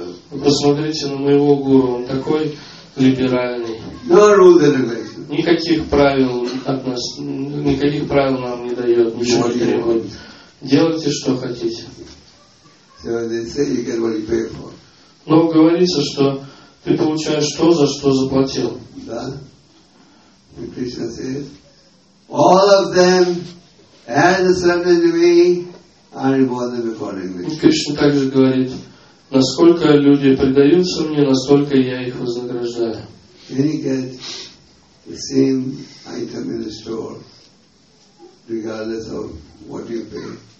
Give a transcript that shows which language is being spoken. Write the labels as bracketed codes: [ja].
[ru] Посмотрите на моего гуру, он такой либеральный. [en] No rules and regulations. [ru] Никаких правил от нас, никаких правил нам не дает, ничего не требует. Делайте, что хотите. [en] So they say you get what you pay for. [ru] Но говорится, что ты получаешь то, за что заплатил. Да. [en] And Krishna says, all of them and the surrendered to me are rewarded accordingly. [ru] Кришна также говорит, насколько люди предаются мне, настолько я их вознаграждаю. [en] Can you get the same item in the store, regardless of what you pay?